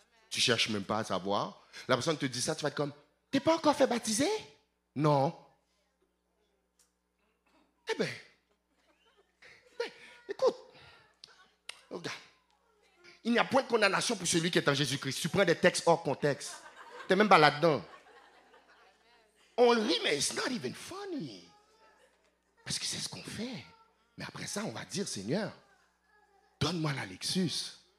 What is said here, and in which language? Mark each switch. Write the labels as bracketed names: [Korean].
[French] Tu ne cherches même pas à savoir. La personne te dit ça, tu vas être comme, tu n'es pas encore fait baptiser? Non. Eh bien... Écoute, regarde, il n'y a point de condamnation pour celui qui est en Jésus-Christ. Tu prends des textes hors contexte. Tu n'es même pas là-dedans. On rit, mais [English] it's not even funny. [French] Parce que c'est ce qu'on fait. Mais après ça, on va dire, Seigneur, donne-moi la Lexus.